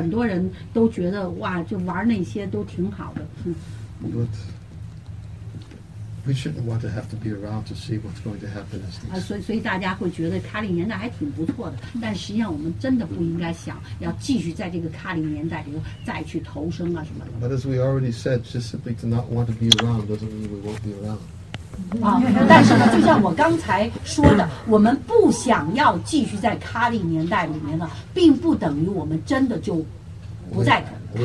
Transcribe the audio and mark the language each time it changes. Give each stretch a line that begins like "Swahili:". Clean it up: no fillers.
Chinese: 尤其是现在，你看那个电脑啊，什么那些个程序啊，搞得都特别的令人惊讶的，是不是？所以很多人都觉得哇，就玩那些都挺好的。
English: But we shouldn't want to have to be around to see what's going to happen.
Chinese: 所以大家会觉得卡里年代还挺不错的，但实际上我们真的不应该想要继续在这个卡里年代里头再去投生啊什么的。
English: But as we already said, just simply to not want to be around doesn't mean we won't be around.
Chinese: 但是呢，就像我刚才说的，我们不想要继续在卡里年代里面了，并不等于我们真的就不在卡里。